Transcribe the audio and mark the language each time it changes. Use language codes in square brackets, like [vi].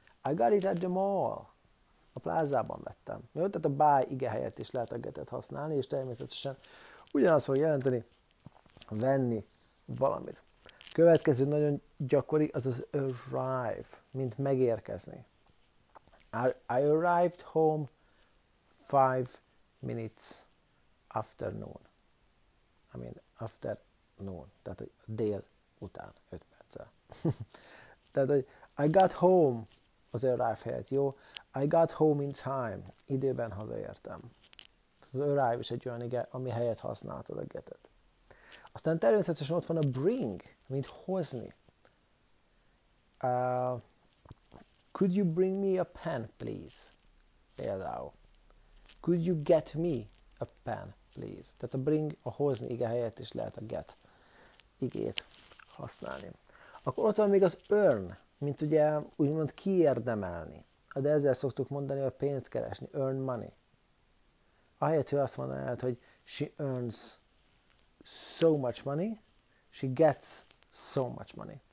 [en] I got it at the mall. [hu] A plázában vettem. Jó, tehát a buy ige helyett is lehet a get-et használni, és természetesen ugyanaz fog jelenteni, venni valamit. Következő nagyon gyakori az az arrive, mint megérkezni. [en] I arrived home 5 minutes after noon. I mean, after noon. [hu] Tehát, hogy dél után 5 perccel. Tehát, hogy [en] I got home, [hu] az arrive helyett, jó? [en] I got home in time, [hu] időben hazaértem. Az arrive is egy olyan ige, ami helyett használtad a get-et. Aztán természetesen ott van a bring, mint hozni. [en] Could you bring me a pen, please? [hu] Például. [en] Could you get me a pen, please? [hu] Tehát a bring, a hozni ige helyett is lehet a get igét használni. Akkor ott van még az earn, mint ugye úgymond kiérdemelni. De ezzel szoktuk mondani, hogy pénzt keresni. [en] Earn money. [hu] Ahelyett, hogy azt mondanád, hogy [en] she earns so much money, she gets so much money.